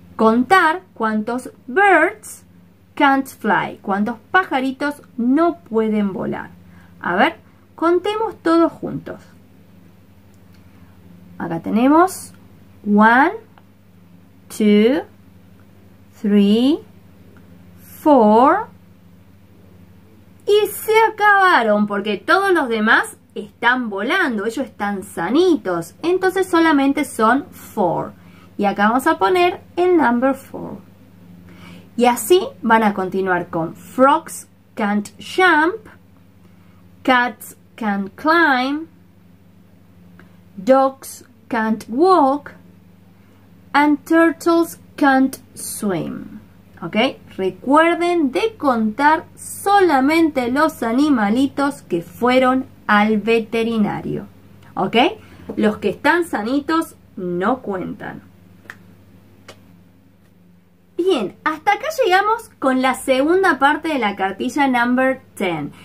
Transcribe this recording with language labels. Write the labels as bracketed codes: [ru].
[es] Contar cuántos birds can't fly. ¿Cuántos pajaritos no pueden volar? A ver, contemos todos juntos. Acá tenemos 1, 2, 3, 4. Y se acabaron porque todos los demás están volando, ellos están sanitos. Entonces solamente son 4. Y acá vamos a poner el number 4. Y así van a continuar con [en] frogs can't jump, cats can't climb, dogs can't walk, and turtles can't swim. [es] ¿Ok? Recuerden de contar solamente los animalitos que fueron al veterinario, ¿ok? Los que están sanitos no cuentan. Bien, hasta acá llegamos con la segunda parte de la cartilla number 10.